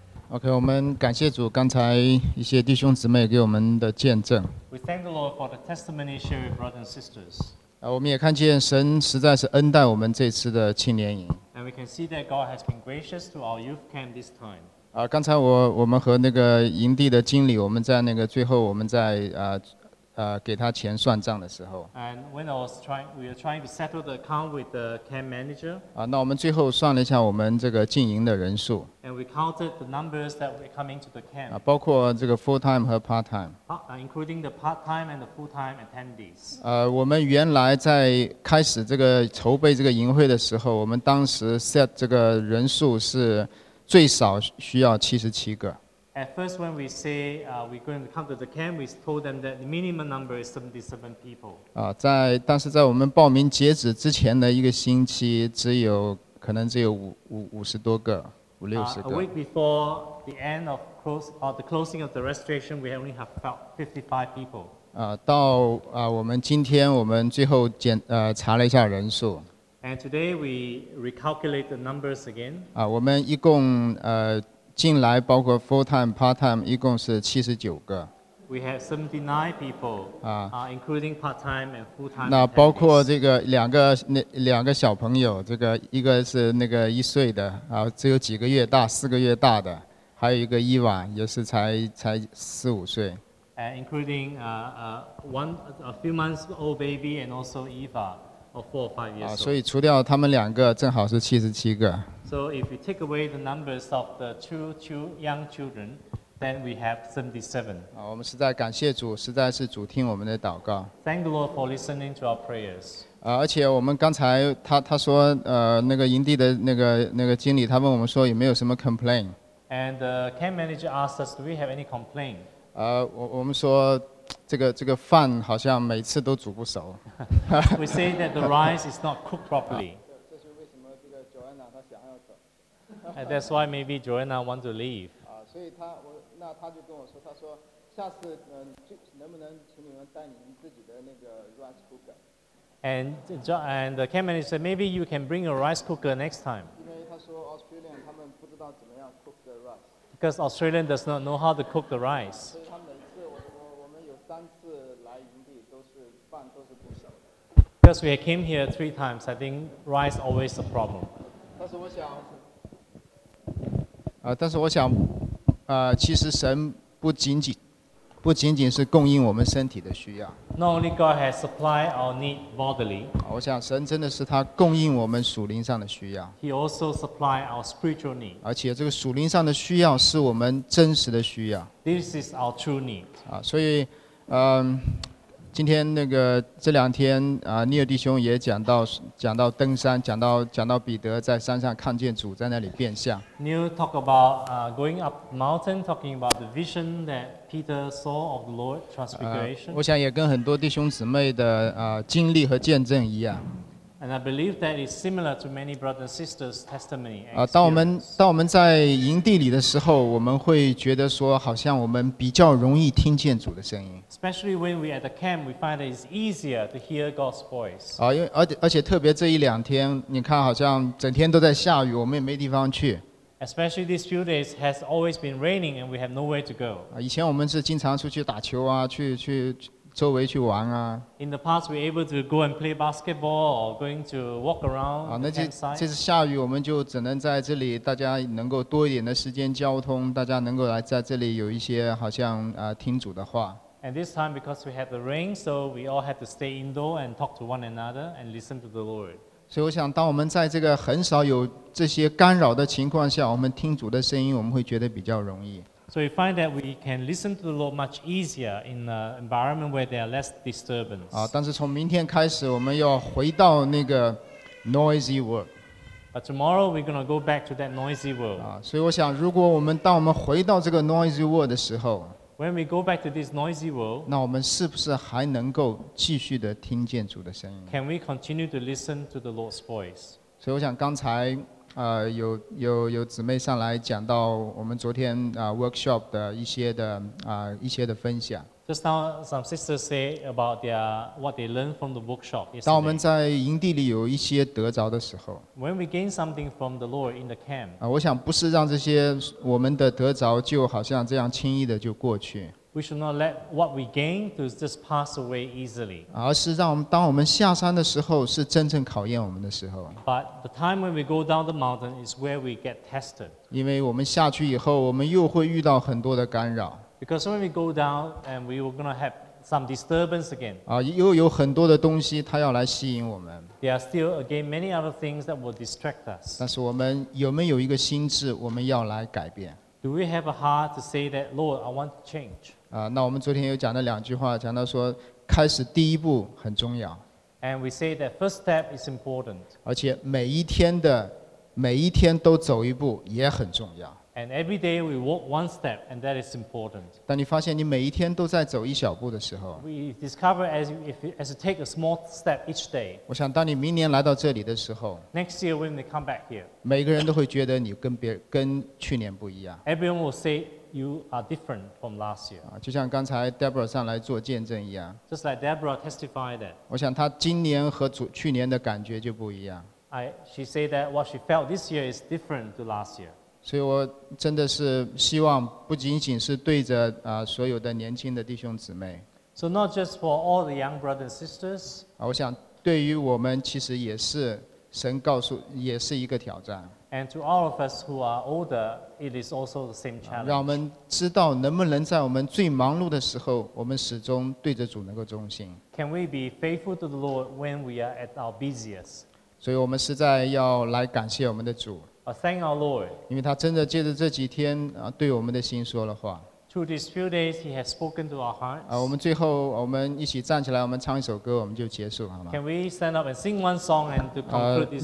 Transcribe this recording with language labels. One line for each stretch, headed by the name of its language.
Chinese: OK， 我们感谢主刚才一些弟兄姊妹给我们的见证。
English: We thank the Lord for the testimony shared with brothers and sisters.
Chinese: 我们也看见神实在是恩待我们这次的青年营。
English: And we can see that God has been gracious to our youth camp this time.
Chinese: 刚才我们和那个营地的经理，我们在那个最后我们在给他钱算账的时候。
English: And when I was trying, we were trying to settle the account with the camp manager.
Chinese: 那我们最后算了一下我们这个进营的人数。
English: And we counted the numbers that were coming to the camp.
Chinese: 包括这个 full time 和 part time.
English: Including the part time and the full time attendees.
Chinese: 我们原来在开始这个筹备这个营会的时候，我们当时 set 这个人数是最少需要77个。
English: At first, when we say we're going to come to the camp, we told them that the minimum number is 77 people.
Chinese: 但是在我们报名截止之前的一个星期，只有50多个，五六十个。
English: A week before the end of the closing of the registration, we only have about 55 people.
Chinese: 我们今天我们最后查了一下人数。
English: And today we recalculate the numbers again.
Chinese: 我们一共进来包括 full time、part time 一共是79个。
English: We have 79 people, including part-time and full-time.
Chinese: 那包括这个两个小朋友，这个一个是那个一岁的，啊，只有几个月大，四个月大的，还有一个伊娃，也是才四五岁。
English: Including a few months old baby and also Eva, of 4 or 5 years old.
Chinese: 所以除掉他们两个，正好是77个。
English: So if you take away the numbers of the two young children. Then we have 77.
Chinese: 我们实在感谢主，实在是主听我们的祷告。
English: Thank the Lord for listening to our prayers.
Chinese: 而且我们刚才他说，那个营地的那个经理，他问我们说有没有什么 complaint.
English: And the camp manager asked us, do we have any complaint?
Chinese: 我们说这个饭好像每次都煮不熟。
English: We say that the rice is not cooked properly.
Chinese: 这是为什么这个 Joanna 她想要走。
English: And that's why maybe Joanna want to leave.
Chinese: 所以她我。那他就跟我说，他说下次就能不能请你们带你们自己的那个 rice cooker?
English: And the camp manager said maybe you can bring a rice cooker next time.
Chinese: 因为他说 Australian 他们不知道怎么样
English: cook the rice. Because Australian does not know how to cook the rice.
Chinese: 所以他每次我们有三次来营地都是饭都是不熟的。
English: Because we came here 3 times, I think rice always a problem.
Chinese: 但是我想，但是我想。其实神不仅仅是供应我们身体的需要。
English: Not only God has supplied our need bodily.
Chinese: 我想神真的是他供应我们属灵上的需要。
English: He also supplied our spiritual need.
Chinese: 而且这个属灵上的需要是我们真实的需要。
English: This is our true need.
Chinese: 所以，今天那个这两天尼尔弟兄也讲到登山，讲到彼得在山上看见主在那里变相。
English: Neil talk about going up mountain, talking about the vision that Peter saw of the Lord transfiguration.
Chinese: 我想也跟很多弟兄姊妹的经历和见证一样。
English: And I believe that is similar to many brothers and sisters' testimony.
Chinese: 当我们在营地里的时候，我们会觉得说，好像我们比较容易听见主的声音。
English: Especially when we at the camp, we find that it's easier to hear God's voice.
Chinese: 而且特别这一两天，你看好像整天都在下雨，我们也没地方去。
English: Especially these few days has always been raining, and we have nowhere to go.
Chinese: 以前我们是经常出去打球啊，去周围去玩啊。
English: In the past, we're able to go and play basketball or going to walk around.
Chinese: 那这次下雨，我们就只能在这里，大家能够多一点的时间交通，大家能够来在这里有一些好像听主的话。
English: And this time, because we had the rain, so we all had to stay indoor and talk to one another and listen to the Lord.
Chinese: 所以我想，当我们在这个很少有这些干扰的情况下，我们听主的声音，我们会觉得比较容易。
English: So we find that we can listen to the Lord much easier in an environment where there are less disturbance.
Chinese: 但是从明天开始，我们要回到那个
English: noisy world. But tomorrow we're going to go back to that noisy world.
Chinese: 所以我想，如果我们当我们回到这个
English: noisy world
Chinese: 的时候，
English: When we go back to this noisy world,
Chinese: 那我们是不是还能够继续的听见主的声音？
English: Can we continue to listen to the Lord's voice?
Chinese: 所以我想刚才有姊妹上来讲到我们昨天workshop 的一些的分享。
English: Just now, some sisters say about what they learned from the workshop.
Chinese: 当我们在营地里有一些得着的时候
English: ，When we gain something from the Lord in the camp.
Chinese: 我想不是让这些我们的得着就好像这样轻易的就过去。
English: We should not let what we gain to just pass away easily.
Chinese: 而是当我们下山的时候，是真正考验我们的时候。
English: But the time when we go down the mountain is where we get tested.
Chinese: 因为我们下去以后，我们又会遇到很多的干扰。
English: Because when we go down, and we are going to have some disturbance again.
Chinese: 又有很多的东西，它要来吸引我们。
English: There are still again many other things that will distract us.
Chinese: 但是我们有没有一个心智，我们要来改变
English: ？Do we have a heart to say that, Lord, I want to change?
Chinese: 那我们昨天有讲了两句话，讲到说，开始第一步很重要。
English: And we say that first step is important.
Chinese: 而且每一天都走一步也很重要。
English: And every day we walk one step, and that is important.
Chinese: 当你发现你每一天都在走一小步的时候
English: ，we discover as you take a small step each day.
Chinese: 我想当你明年来到这里的时候
English: ，next year when they come back here,
Chinese: 每个人都会觉得你跟去年不一样。
English: Everyone will say you are different from last year.
Chinese: 就像刚才 Deborah 上来做见证一样
English: ，just like Deborah testified that.
Chinese: 我想她今年和去年的感觉就不一样。
English: She said that what she felt this year is different to last year.
Chinese: 所以我真的是希望不仅仅是对着所有的年轻的弟兄姊妹。
English: So not just for all the young brothers and sisters.
Chinese: 我想对于我们其实也是神告诉也是一个挑战。
English: And to all of us who are older, it is also the same challenge.
Chinese: 让我们知道能不能在我们最忙碌的时候，我们始终对着主能够忠心。
English: Can we be faithful to the Lord when we are at our busiest?
Chinese: 所以我们实在要来感谢我们的主。
English: Thank our Lord.
Chinese: 因为他真的借着这几天对我们的心说了话。
English: Through these few days, He has spoken to our hearts.
Chinese: 我们最后我们一起站起来，我们唱一首歌，我们就结束，好吗
English: ？Can we stand up and sing one song and to conclude this?